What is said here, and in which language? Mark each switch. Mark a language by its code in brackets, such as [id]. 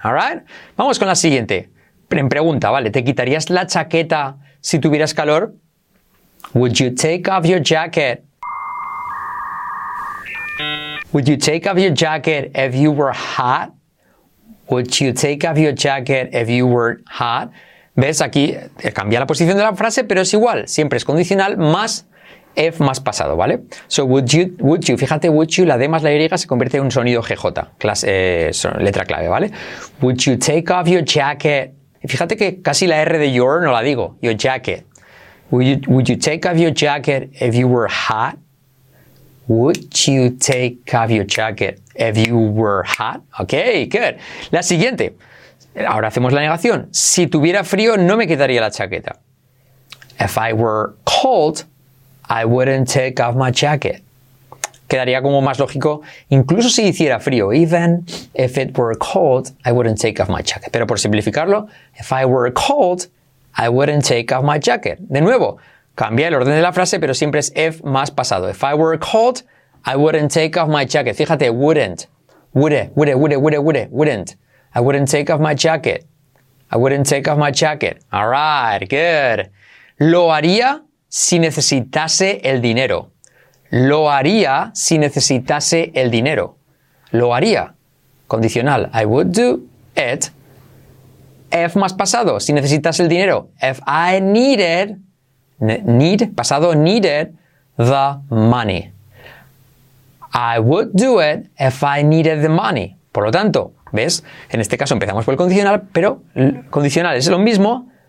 [en] All right? [es] Vamos con la siguiente. En pregunta, ¿vale? ¿Te quitarías la chaqueta si tuvieras calor? [en] Would you take off your jacket? Would you take off your jacket if you were hot? Would you take off your jacket if you were hot? [es] ¿Ves? Aquí cambia la posición de la frase, pero es igual. Siempre es condicional más if más pasado, ¿vale? [en] So, would you, [es] fíjate, [en] would you, [es] la D más la Y se convierte en un sonido GJ, letra clave, ¿vale? [en] Would you take off your jacket? [es] Fíjate que casi la R de your no la digo, [en] your jacket. Would you take off your jacket if you were hot? Would you take off your jacket if you were hot? Okay, good. [es] La siguiente. Ahora hacemos la negación. Si tuviera frío, no me quitaría la chaqueta. [en] If I were cold, I wouldn't take off my jacket. [es] Quedaría como más lógico, incluso si hiciera frío. [en] Even if it were cold, I wouldn't take off my jacket. [es] Pero por simplificarlo, [en] if I were cold, I wouldn't take off my jacket. [es] De nuevo, cambia el orden de la frase, pero siempre es if más pasado. [en] If I were cold, I wouldn't take off my jacket. [es] Fíjate, [en] wouldn't. Wouldn't. I wouldn't take off my jacket. I wouldn't take off my jacket. All right, good. [es] Lo haría si necesitase el dinero. Lo haría si necesitase el dinero. Lo haría. Condicional. [en] I would do it. [es] If más pasado, si necesitas el dinero. [en] If I needed, need, pasado, needed the money. I would do it if I needed the money. [es] Por lo tanto, ¿ves? En este caso empezamos por el condicional, pero el condicional es lo mismo.